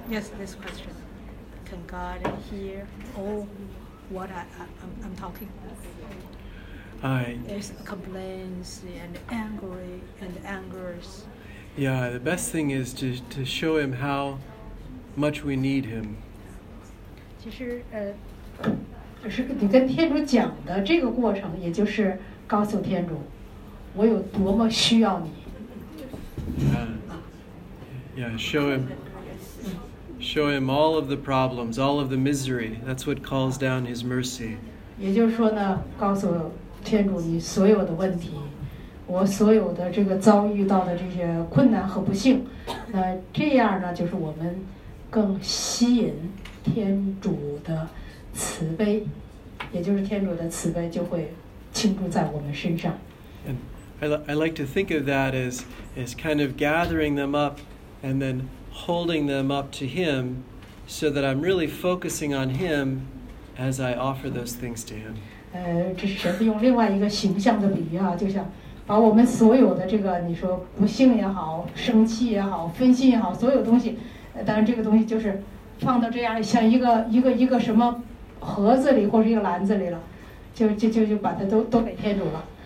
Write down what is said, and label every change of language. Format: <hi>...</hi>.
<en>Yes, this question. Can God hear all what I'm talking? There's complaints and angers. Yeah, the best thing is to show Him how much we need Him.</en> <zh>其实就是你跟天主讲的这个过程，也就是告诉天主我有多么需要你。</zh> <en>Yeah, show him all of the problems, all of the misery. That's what calls down His mercy.</en> <zh>也就是说呢，告诉天主你所有的问题，我所有的这个遭遇到的这些困难和不幸，那这样呢，就是我们更吸引天主的慈悲，也就是天主的慈悲就会倾注在我们身上。</zh> <en>And I like to think of that as kind of gathering them up and then holding them up to Him so that I'm really focusing on Him as I offer those things to Him.</en> <zh>这是神父用另外一个形象的比喻啊，就像把我们所有的这个你说不幸也好，生气也好，分心也好，所有东西，当然这个东西就是放到这样像一个什么盒子里或者一个篮子里了，就把它都给天主了。</zh>